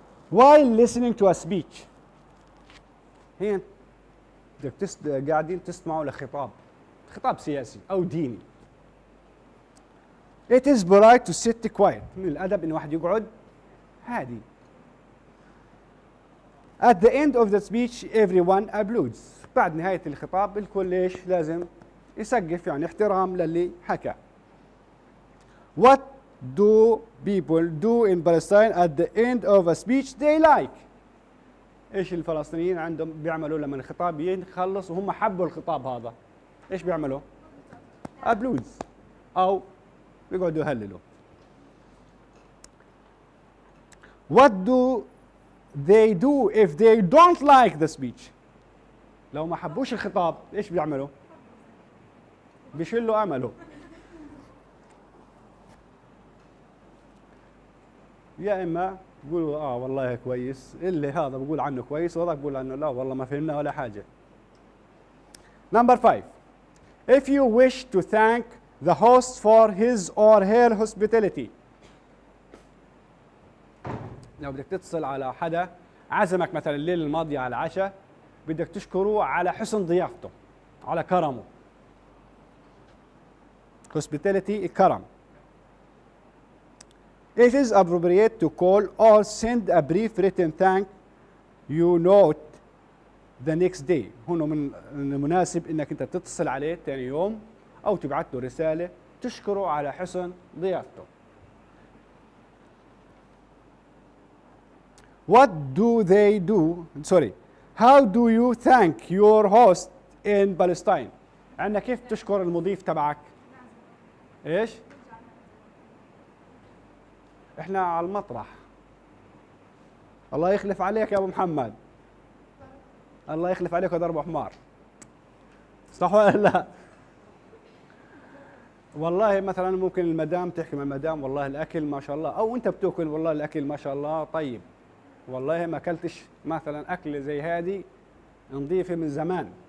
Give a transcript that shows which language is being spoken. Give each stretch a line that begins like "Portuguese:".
English: While listening to a speech. هين.
Arabic: قاعدين تسمعوا لخطاب. خطاب سياسي أو ديني.
English: It is polite to sit quiet.
Arabic: من الأدب إن واحد يقعد هادي.
English: At the end of the speech, everyone applauds.
Arabic: بعد نهاية الخطاب الكل إيش لازم يسقف، يعني احترام للي حكى.
English: What do people do in Palestine at the end of a speech they like؟
Arabic: ايش الفلسطينيين عندهم بيعملوا لما الخطاب ينخلص وهم حبوا الخطاب هذا، ايش بيعملوا؟ ابلوز او بيقعدوا يهللوا.
English: What do they do if they don't like the speech؟
Arabic: لو ما حبوش الخطاب ايش بيعملوا؟ بيشلوا امله. يا إما بقولوا آه والله كويس، اللي هذا بقول عنه كويس، وهذا بقول عنه لا والله ما فهمنا ولا حاجة.
English: Number five. If you wish to thank the host for his or her hospitality.
Arabic: لو بدك تتصل على حدا عزمك مثلا الليلة الماضية على العشاء، بدك تشكره على حسن ضيافته، على كرمه. Hospitality الكرم.
English: It is appropriate to call or send a brief written thank you note the next day.
Arabic: هنا من المناسب انك انت تتصل عليه ثاني يوم او تبعث له رساله تشكره على حسن ضيافته.
English: What do they do? Sorry. How do you thank your host in Palestine?
Arabic: عندنا كيف تشكر المضيف تبعك؟ ايش؟ احنا على المطرح. الله يخلف عليك يا ابو محمد، الله يخلف عليك يا ضرب حمار، صح ولا لا؟ والله مثلا ممكن المدام تحكي مع المدام، والله الاكل ما شاء الله، او انت بتاكل والله الاكل ما شاء الله طيب، والله ما اكلتش مثلا اكل زي هذه نظيفه من زمان.